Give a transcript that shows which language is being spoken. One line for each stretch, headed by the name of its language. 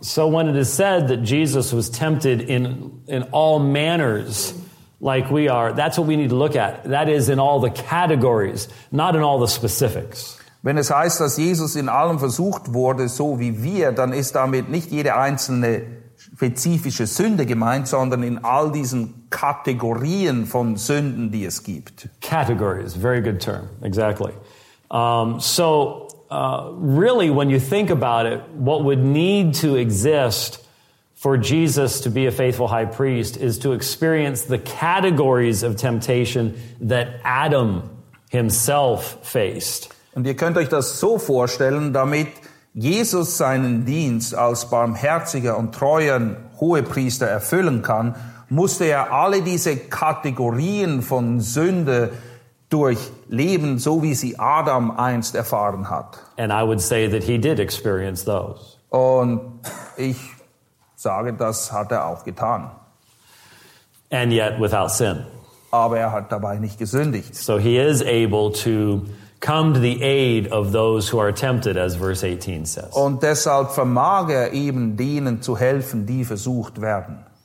English: So when it is said that Jesus was tempted in all manners like we are, that's what we need to look at. That is in all the categories, not in all the specifics.
German: Wenn es heißt, dass Jesus in allem versucht wurde, so wie wir, dann ist damit nicht jede einzelne spezifische Sünde gemeint, sondern in all diesen Kategorien von Sünden, die es gibt.
English: Categories, very good term, exactly. So really, when you think about it, what would need to exist for Jesus to be a faithful high priest is to experience the categories of temptation that Adam himself faced.
German: Und ihr könnt euch das so vorstellen, damit Jesus seinen Dienst als barmherziger und treuer Hohepriester erfüllen kann, musste er alle diese Kategorien von Sünde durchleben, so wie sie Adam einst erfahren hat.
English: And I would say that he did experience those.
German: Und ich sage, das hat er auch getan.
English: And yet without sin.
German: Aber er hat dabei nicht gesündigt.
English: So he is able to come to the aid of those who are tempted, as verse 18 says.
German: Und deshalb vermag er eben denen zu helfen, die versucht werden.